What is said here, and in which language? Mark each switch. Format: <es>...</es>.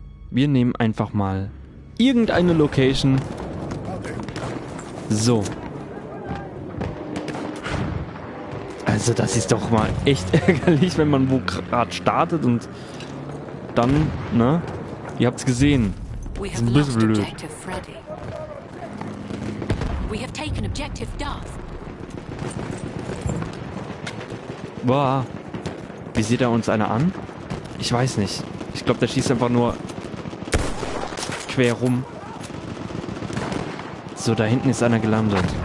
<de>Wir nehmen einfach mal irgendeine Location. So. Also das ist doch mal echt ärgerlich, wenn man wo gerade startet und dann, ne? Ihr habt's gesehen. Das ist ein bisschen blöd.</de> <en>We have taken objective Darth. Boah.</en> <de>Wie sieht er uns einer an? Ich weiß nicht. Ich glaube, der schießt einfach nur quer rum. So, da hinten ist einer gelandet.</de>